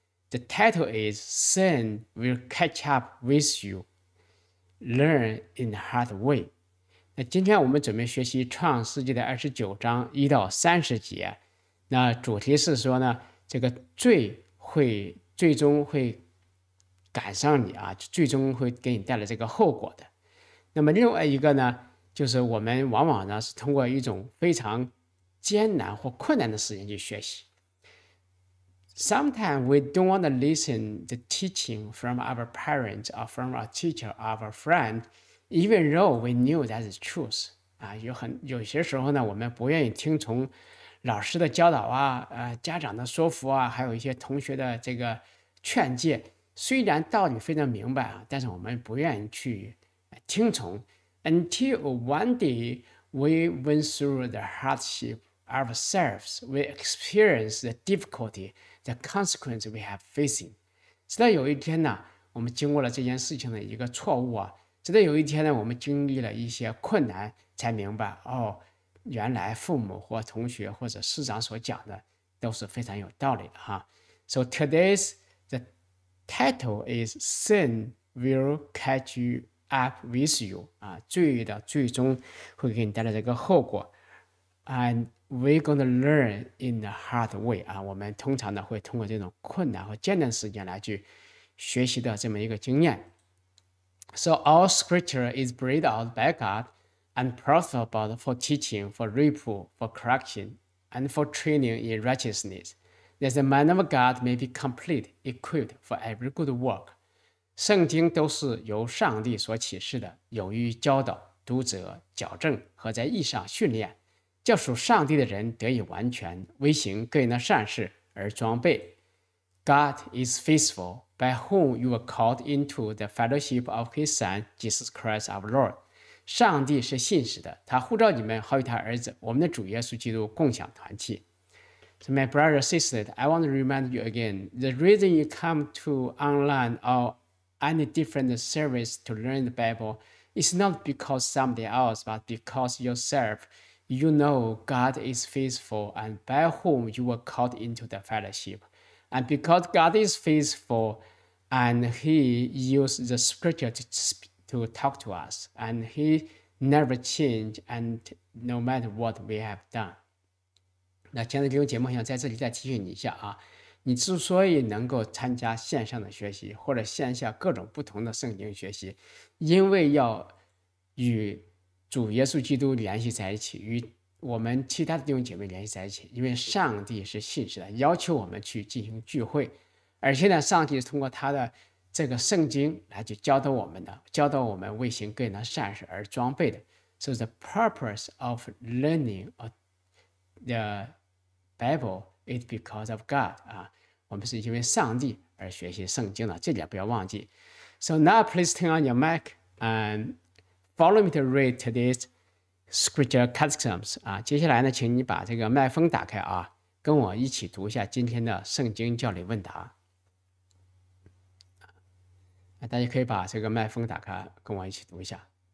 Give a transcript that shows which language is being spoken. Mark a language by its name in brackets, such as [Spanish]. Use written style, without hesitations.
[English] The title is Sin Will Catch Up With You, Learn in the Hard Way. [Chinese] 那今天我们准备学习创世纪的29章1到30节。那主题是说呢，这个罪会最终会赶上你啊，最终会给你带来这个后果的。那么另外一个呢，就是我们往往呢是通过一种非常艰难或困难的时间去学习。 [English] Sometimes we don't want to listen the teaching from our parents or from our teacher or our friend, even though we knew that is truth. [Chinese] 啊，有些时候呢，我们不愿意听从老师的教导啊，家长的说服啊，还有一些同学的这个劝诫，虽然道理非常明白啊，但是我们不愿意去听从。 [English] Until one day we went through the hardship ourselves, we experienced the difficulty, the consequence we have facing. [Chinese] 直到有一天呢，我们经过了这件事情的一个错误啊，直到有一天呢，我们经历了一些困难，才明白哦，原来父母或同学或者师长所讲的都是非常有道理的哈。 [English] So today's the title is Sin Will Catch YouUp with you, [Chinese] 啊，罪的最终会给你带来这个后果。 [English] And we're going to learn in the hard way, [Chinese] 啊，我们通常呢会通过这种困难和艰难时间来去学习的这么一个经验。 [English] So all scripture is breathed out by God and profitable for teaching, for reproof, for correction, and for training in righteousness, that the man of God may be complete, equipped for every good work. [Chinese] 圣经都是由上帝所启示的，有于教导、督责、矫正和在义上训练，叫属上帝的人得以完全，为行各样的善事而装备。 [English] God is faithful, by whom you were called into the fellowship of His Son, Jesus Christ our Lord. [Chinese] 上帝是信实的，他呼召你们和与他儿子，我们的主耶稣基督共享团契。 [English] So my brother and sister, I want to remind you again, the reason you come to online or any different service to learn the Bible, it's not because somebody else, but because yourself, you know God is faithful and by whom you were called into the fellowship. And because God is faithful and He used the scripture to talk to us and He never changed and no matter what we have done. [Chinese] 那今天的节目想在这里再提醒你一下啊。你之所以能够参加线上的学习或者线下各种不同的圣经学习，因为要与主耶稣基督联系在一起，与我们其他的弟兄姐妹联系在一起，因为上帝是信实的，要求我们去进行聚会，而且呢，上帝是通过他的这个圣经来去教导我们的，教导我们为行各样的善事而装备的。 [English] So the purpose of learning the BibleIt's because of God. [Chinese] 啊，我们是因为上帝而学习圣经的，这点不要忘记。 [English] So now please turn on your mic and follow me to read today's scripture catechisms. [Chinese] 啊，接下来呢，请你把这个麦风打开啊，跟我一起读一下今天的圣经教理问答。大家可以把这个麦风打开，跟我一起读一下。